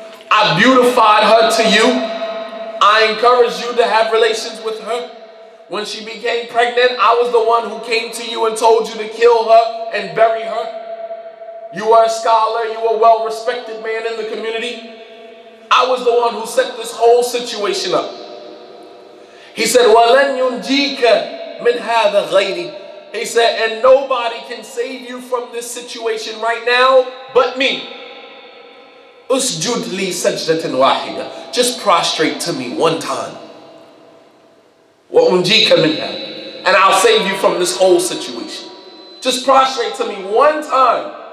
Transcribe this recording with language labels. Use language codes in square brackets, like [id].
[en] I beautified her to you. I encouraged you to have relations with her. When she became pregnant, I was the one who came to you and told you to kill her and bury her. You are a scholar. You are a well-respected man in the community. I was the one who set this whole situation up. He said, [ar] وَلَنْ يُنْجِيكَ مِنْ هَذَا غَيْرِي. [en] He said, and nobody can save you from this situation right now but me. [ar] أُسْجُدْ لِي سَجْدَةٍ وَاحِدَةٍ. [en] Just prostrate to me one time. [ar] وأنجيك منها. [en] And I'll save you from this whole situation. Just prostrate to me one time.